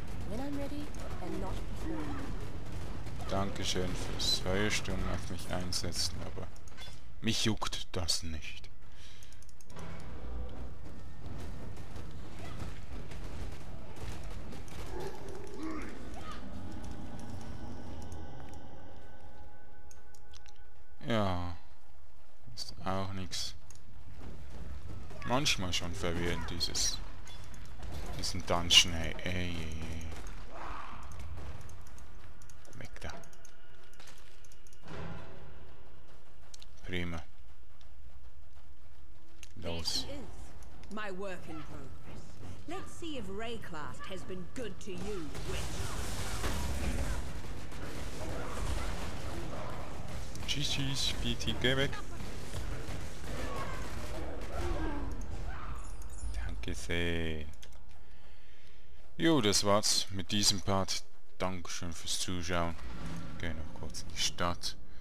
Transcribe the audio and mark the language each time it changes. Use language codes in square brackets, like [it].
[en] When I'm ready, and not before. [de] Dankeschön fürs Feuersturm auf mich einsetzen, aber mich juckt das nicht. Ja, ist auch nichts. Manchmal schon verwirrend, diesen Dungeon, ey, ey, ey, ey. Weg da. Prima. Los. [en] My work in progress. Let's see if Raycraft has been good to you, Witch. [de] Tschüss, tschüss, Petey, geh weg. Gesehen. Jo, das war's mit diesem Part. Dankeschön fürs Zuschauen. Geh noch kurz in die Stadt.